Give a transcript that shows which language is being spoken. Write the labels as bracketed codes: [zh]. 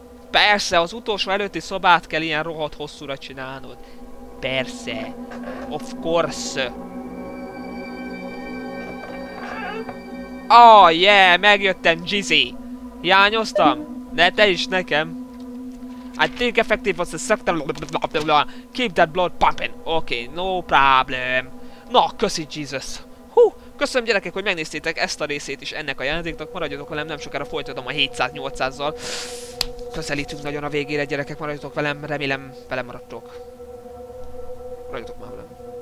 [hu] Persze, az utolsó előtti szobát kell ilyen rohadt hosszúra csinálnod. Persze. [en] Of course. Oh yeah, [hu] megjöttem, Jizzy. Hiányoztam? De te is nekem. [en] I think effective was the sector. Keep that blood pumping. Okay, no problem. [hu] Na, köszi, [en] Jesus. [hu] Köszönöm, gyerekek, hogy megnéztétek ezt a részét is ennek a jelenetnek. Maradjatok velem, nem sokára folytatom a 700-800-zal. Közelítünk nagyon a végére, gyerekek, maradjatok velem, remélem velem maradtok. Maradjatok már velem.